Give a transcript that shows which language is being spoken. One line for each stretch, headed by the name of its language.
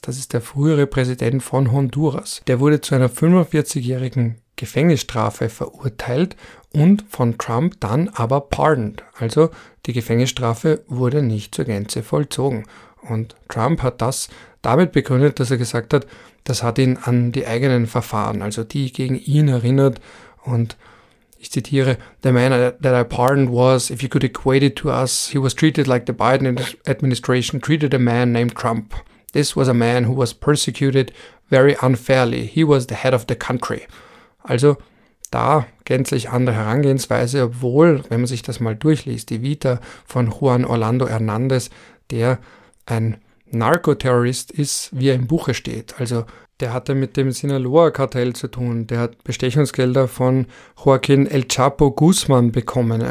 German: Das ist der frühere Präsident von Honduras. Der wurde zu einer 45-jährigen Gefängnisstrafe verurteilt und von Trump dann aber pardoned. Also die Gefängnisstrafe wurde nicht zur Gänze vollzogen. Und Trump hat das damit begründet, dass er gesagt hat, das hat ihn an die eigenen Verfahren, also die gegen ihn erinnert. Und ich zitiere,
English: "The man that I pardoned was, if you could equate it to us, he was treated like the Biden administration treated a man named Trump. This was a man who was persecuted very unfairly. He was the head of the country."
German: Also da gänzlich andere Herangehensweise, obwohl, wenn man sich das mal durchliest, die Vita von Juan Orlando Hernández, der ein Narkoterrorist ist, wie er im Buche steht. Also der hatte mit dem Sinaloa-Kartell zu tun. Der hat Bestechungsgelder von Joaquin El Chapo Guzman bekommen.